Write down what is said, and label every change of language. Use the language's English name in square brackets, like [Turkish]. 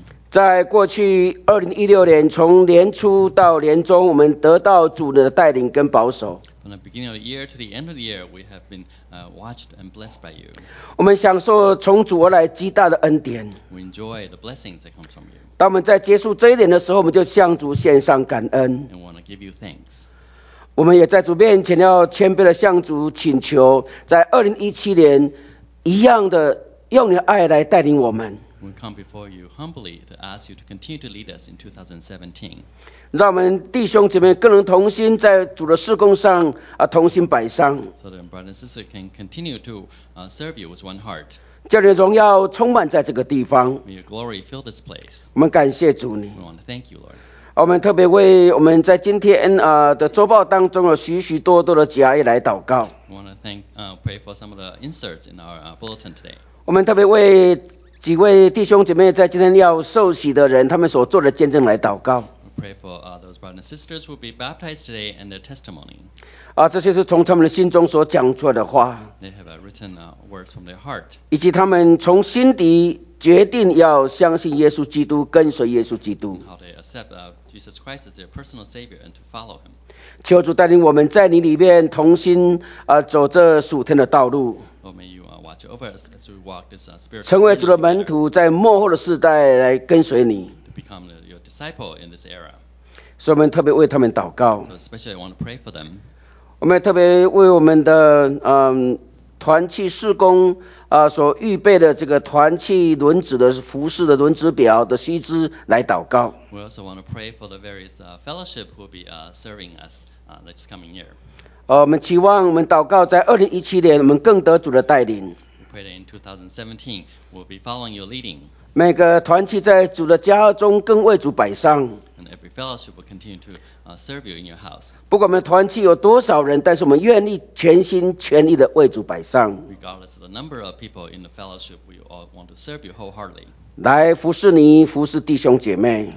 [Chinese] 在过去2016年，从年初到年终，我们得到主的带领跟保守。 [English] From the beginning of the year to the end of the year, we have been watched and blessed by you. [Chinese] 我们享受从主而来极大的恩典。 [English] We enjoy the blessings that come from you. [Chinese] 当我们在结束这一年的时候，我们就向主献上感恩。 [English] And we want to give you thanks. [Chinese] 我们也在主面前要谦卑的向主请求，在2017年一样的用你的爱来带领我们。 [English] We come before you humbly to ask you to continue to lead us in 2017. [Chinese] 让我们弟兄姐妹更能同心在主的事工上同心摆上。 [English] So that brother and sister can continue to serve you with one heart. [Chinese] 叫你的荣耀充满在这个地方。 [English] May your glory fill this place. [Chinese] 我们感谢主你。 [English] We want to thank you, Lord. [Chinese] 我们特别为我们在今天的周报当中有许许多多的加益来祷告。 [English] We want to pray for some of the inserts in our bulletin today. [Chinese] 我们特别为几位弟兄姐妹在今天要受洗的人，他们所做的见证来祷告。 [English] Pray for those brothers and sisters who will be baptized today and their testimony. [Chinese] 这些是从他们的心中所讲出的话。 [English] They have written words from their heart. [Chinese] 以及他们从心底决定要相信耶稣基督，跟随耶稣基督。 [English] How they accept Jesus Christ as their personal Savior and to follow Him. [Chinese] 求主带领我们在你里面同心走这属天的道路。 [English] Oh, may you watch over us as we walk this spiritual. [Chinese] 成为主的门徒，在末后的世代来跟随你。 [English] Become your disciple in this era. [Chinese] 所以我们特别为他们祷告。 [English] Especially, I want to pray for them. [Chinese] 我们特别为我们的团契事工所预备的这个团契轮子的服饰的轮子表的须知来祷告。 [English] We also want to pray for the various fellowship who will be serving us this coming year. [Chinese] 我们期望我们祷告在2017年，我们更得主的带领。 [English] Pray that in 2017, we'll be following your leading. [Chinese] 每个团契在主的家中更为主摆上。 [English] And every fellowship will continue to serve you in your house. [Chinese] 不管我们团契有多少人，但是我们愿意全心全力的为主摆上。 [English] Regardless of the number of people in the fellowship, we all want to serve you wholeheartedly. [Chinese] 来服侍你，服侍弟兄姐妹。